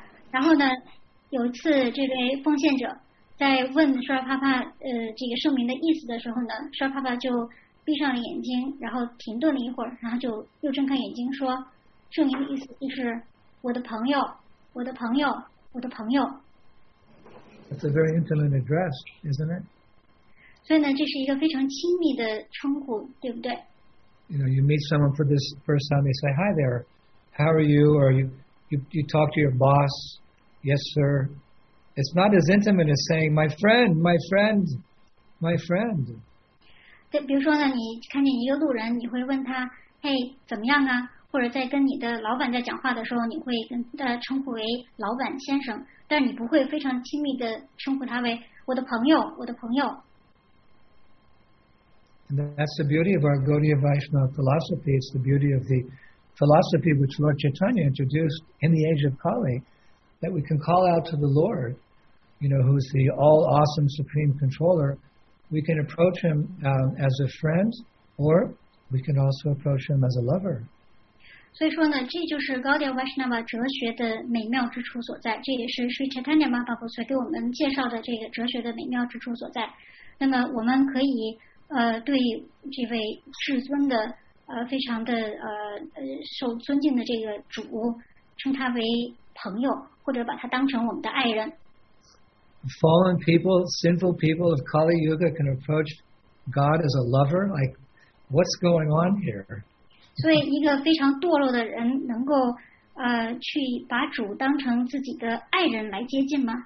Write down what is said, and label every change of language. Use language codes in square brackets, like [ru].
[zh] 然后呢，有一次这位奉献者在问舒尔帕帕这个圣名的意思的时候呢，舒尔帕帕就闭上了眼睛，然后停顿了一会儿，然后就又睁开眼睛说，圣名的意思就是我的朋友，我的朋友，我的朋友。 [en] That's a very intimate address, isn't it? [zh] 所以呢，这是一个非常亲密的称呼，对不对？ [en] You know, you meet someone for this first time, they say, hi there, how are you? Or you talk to your boss, yes sir. It's not as intimate as saying, my friend, my friend, my friend. [zh] 对，比如说呢，你看见一个路人，你会问他，嘿，怎么样啊？或者在跟你的老板在讲话的时候，你会跟他称呼为老板先生，但你不会非常亲密的称呼他为我的朋友，我的朋友。 [en] And that's the beauty of our Gaudiya Vaishnava philosophy. It's the beauty of the philosophy which Lord Chaitanya introduced in the age of Kali, that we can call out to the Lord, you know, who's the all-awesome supreme controller. We can approach him as a friend, or we can also approach him as a lover. [zh] 所以说呢，这就是 Gaudiya Vaishnava 哲学的美妙之处所在，这也是 Sri Chaitanya Mahaprabhu 所给我们介绍的这个哲学的美妙之处所在。那么我们可以对这位至尊的非常的受尊敬的这个主称他为朋友，或者把他当成我们的爱人。 [en] Fallen people, sinful people of Kali Yuga can approach God as a lover. Like, what's going on here? [zh] 所以，一个非常堕落的人能够去把主当成自己的爱人来接近吗？